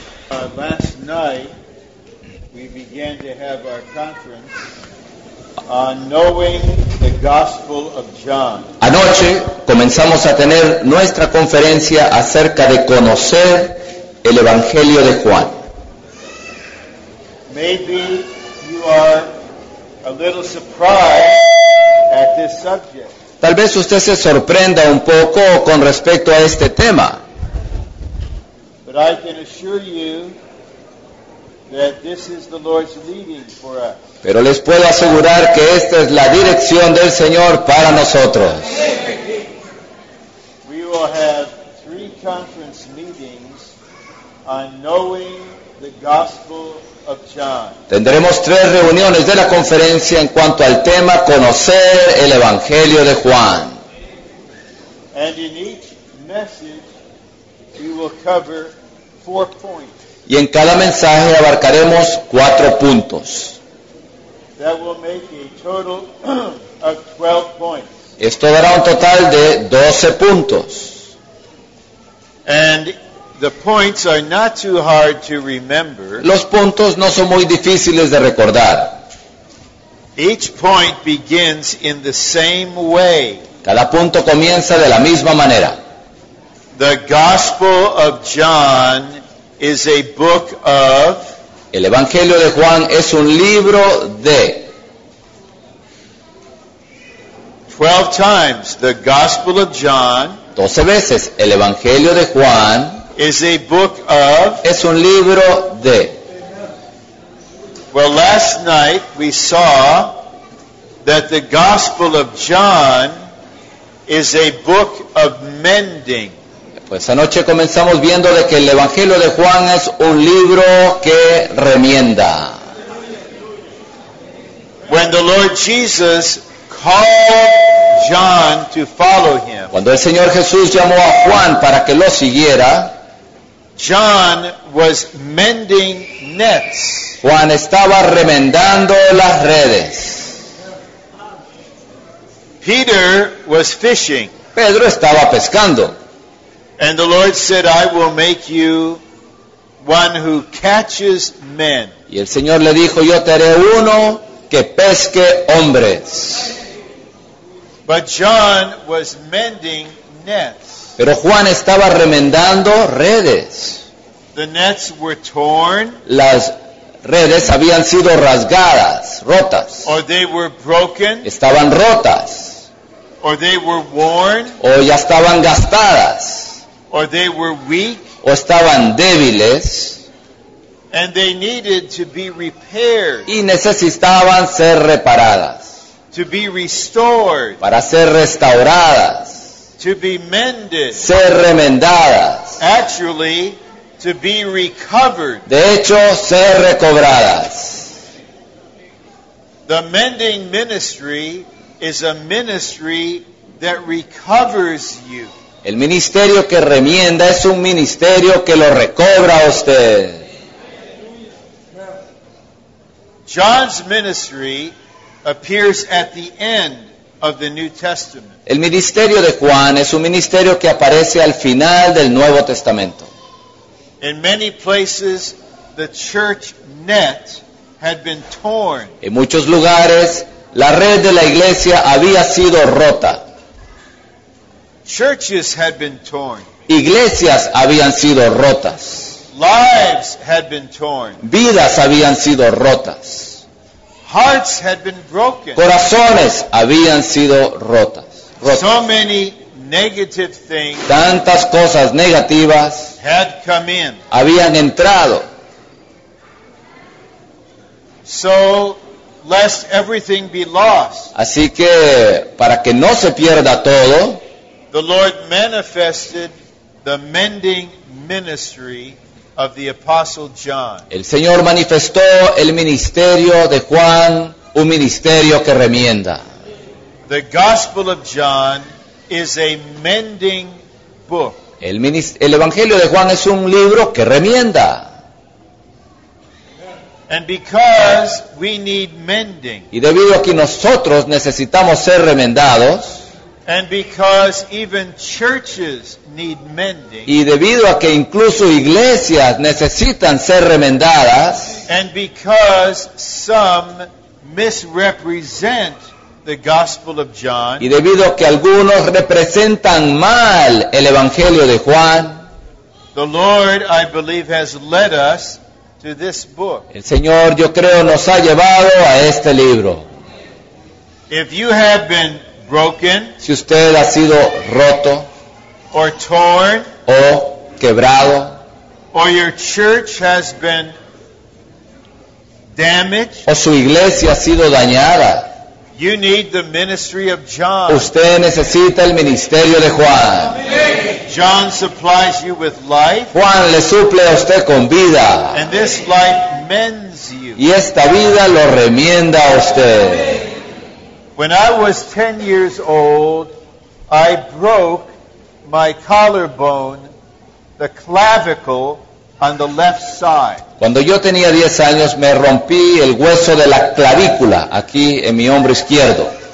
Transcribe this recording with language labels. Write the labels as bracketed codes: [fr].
[en] Last night, we began to have our conference on knowing the Gospel of John. [es] Anoche comenzamos a tener nuestra conferencia acerca de conocer el Evangelio de Juan. [en] Maybe you are a little surprised at this subject. [es] Tal vez usted se sorprenda un poco con respecto a este tema. [en] But I can assure you that this is the Lord's leading for us. [es] Pero les puedo asegurar que esta es la dirección del Señor para nosotros. [en] We will have three conference meetings on knowing the Gospel of John. [es] Tendremos tres reuniones de la conferencia en cuanto al tema conocer el Evangelio de Juan. [en] And in each message we will cover four points. [es] Y en cada mensaje abarcaremos cuatro puntos. [en] That will make a total of 12 points. [es] Esto dará un total de 12 puntos. [en] And the points are not too hard to remember. [es] Los puntos no son muy difíciles de recordar. [en] Each point begins in the same way. [es] Cada punto comienza de la misma manera. [en] The Gospel of John is a book of. [es] El Evangelio de Juan es un libro de. [en] 12 times the Gospel of John. [es] 12 veces el Evangelio de Juan. [en] Is a book of. [es] Es un libro de. [en] Well, last night we saw that the Gospel of John is a book of mending. [es] Pues anoche comenzamos viendo de que el Evangelio de Juan es un libro que remienda. [en] When the Lord Jesus called John to follow him. [es] Cuando el Señor Jesús llamó a Juan para que lo siguiera. [en] John was mending nets. [es] Juan estaba remendando las redes. [en] Peter was fishing. [es] Pedro estaba pescando. [en] And the Lord said, I will make you one who catches men. [es] Y el Señor le dijo, yo te haré uno que pesque hombres. [en] But John was mending nets. [es] Pero Juan estaba remendando redes. [en] The nets were torn. [es] Las redes habían sido rasgadas, rotas. [en] Or they were broken. [es] Estaban rotas. [en] Or they were worn. [es] O ya estaban gastadas. [en] Or they were weak. [es] O estaban débiles. [en] And they needed to be repaired. [es] Y necesitaban ser reparadas. [en] To be restored. [es] Para ser restauradas. [en] To be mended. [es] Ser remendadas. [en] Actually, to be recovered. [es] De hecho, ser recobradas. [en] The mending ministry is a ministry that recovers you. [es] El ministerio que remienda es un ministerio que lo recobra a usted. [en] John's ministry appears at the end of the New Testament. [es] El ministerio de Juan es un ministerio que aparece al final del Nuevo Testamento. [en] In many places, the church net had been torn. [es] En muchos lugares, la red de la iglesia había sido rota. [en] Churches had been torn. [es] Iglesias habían sido rotas. [en] Lives had been torn. [es] Vidas habían sido rotas. [en] Hearts had been broken. [es] Corazones habían sido rotas. [en] So many negative things. [es] Tantas cosas negativas. [en] Had come in. [es] Habían entrado. [en] So, lest everything be lost. [es] Así que, para que no se pierda todo. [en] The Lord manifested the mending ministry of the Apostle John. [es] El Señor manifestó el ministerio de Juan, un ministerio que remienda. [en] The Gospel of John is a mending book. [es] El Evangelio de Juan es un libro que remienda. [en] And because we need mending. [es] Y debido a que nosotros necesitamos ser remendados. [en] And because even churches need mending. [es] Y debido a que incluso iglesias necesitan ser remendadas. [en] And because some misrepresent the gospel of John. [es] Y debido a que algunos representan mal el evangelio de Juan. [en] The Lord, I believe, has led us to this book. [es] El Señor, yo creo, nos ha llevado a este libro. [en] If you have been broken, [es] si usted ha sido roto, [en] or torn, [es] o quebrado, [en] or your church has been damaged, [es] o su iglesia ha sido dañada, [en] you need the ministry of John. [es] Usted necesita el ministerio de Juan. [en] John supplies you with life. [es] Juan le suple a usted con vida. [en] And this life mends you. [es] Y esta vida lo remienda a usted. [en] When I was 10 years old, I broke my collarbone, the clavicle, on the left side. [es] Cuando yo tenía 10 años, me rompí el hueso de la clavícula aquí en mi hombro izquierdo.